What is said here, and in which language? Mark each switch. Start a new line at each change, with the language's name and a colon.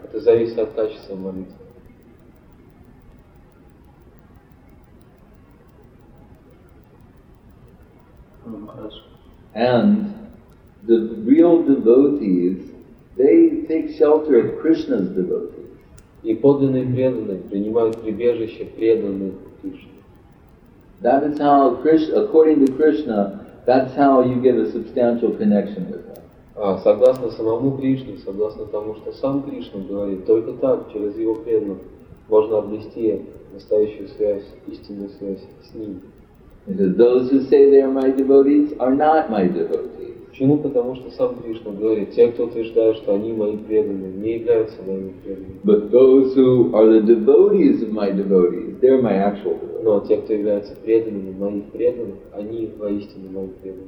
Russian: Это зависит от качества молитвы.
English: And the real devotees, they take shelter of Krishna's devotees.
Russian: И подлинные преданные принимают прибежище преданных Кришны.
English: That is how Krishna, according to Krishna, that's how you get a substantial connection with him.
Russian: А согласно самому Кришне, согласно тому, что сам Кришна говорит, только так через его преданных можно обрести настоящую связь, истинную связь с ним.
English: Because those who say they are my devotees are not my devotees.
Russian: Почему? Потому что сам Кришна говорит, те, кто утверждают, что они мои преданные, не являются моими преданными.
English: But those who are the devotees of my devotees, they're my actual devotees.
Russian: Но те, кто являются преданными моих преданных, они воистину мои преданные.